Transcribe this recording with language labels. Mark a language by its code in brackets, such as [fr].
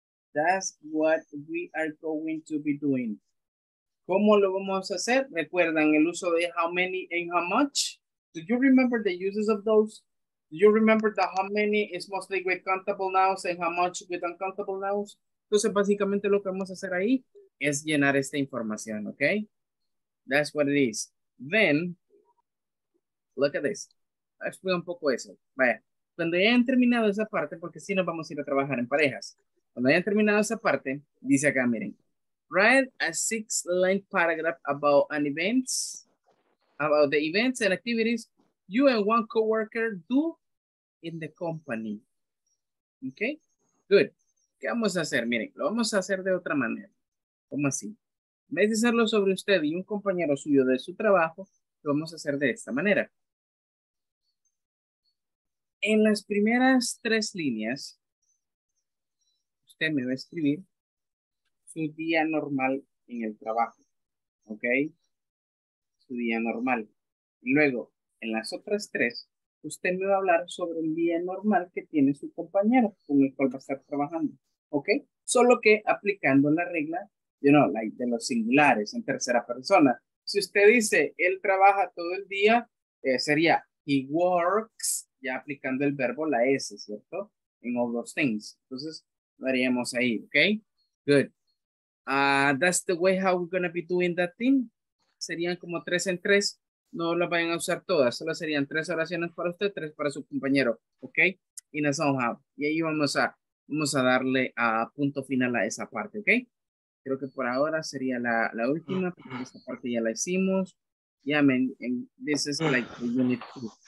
[en] That's what we are going to be doing. [es] ¿Cómo lo vamos a hacer? ¿Recuerdan el uso de [en] how many and how much? Do you remember the uses of those? Do you remember that how many is mostly with countable nouns and how much with uncountable nouns? [es] Entonces, básicamente lo que vamos a hacer ahí es llenar esta información, okay? [en] That's what it is. Then, look at this. [es] Explica un poco eso. Vaya, cuando hayan terminado esa parte, porque si no vamos a ir a trabajar en parejas. Cuando hayan terminado esa parte, dice acá, miren. [en] Write a six-line paragraph about an events, about the events and activities you and one coworker do in the company. Okay, good. [es] ¿Qué vamos a hacer? Miren, lo vamos a hacer de otra manera. ¿Cómo así? En vez de hacerlo sobre usted y un compañero suyo de su trabajo, lo vamos a hacer de esta manera. En las primeras tres líneas, usted me va a escribir su día normal en el trabajo. ¿Ok? Su día normal. Luego, en las otras tres, usted me va a hablar sobre el día normal que tiene su compañero con el cual va a estar trabajando. ¿Ok? Solo que aplicando la regla, [en] you know, like, [es] de los singulares en tercera persona. Si usted dice, él trabaja todo el día, sería, [en] he works, [es] ya aplicando el verbo la S, ¿cierto? En [en] all those things. [es] Entonces, lo haríamos ahí, ¿ok? [en] Good. That's the way how we're going to be doing that thing. [es] Serían como tres en tres. No las vayan a usar todas. Solo serían tres oraciones para usted, tres para su compañero, ¿ok? [en] In a somehow. [es] Y ahí vamos a darle a punto final a esa parte, ¿ok? Creo que por ahora sería la última, porque esta parte ya la hicimos. [en] Yeah, man, and this is like the unit two.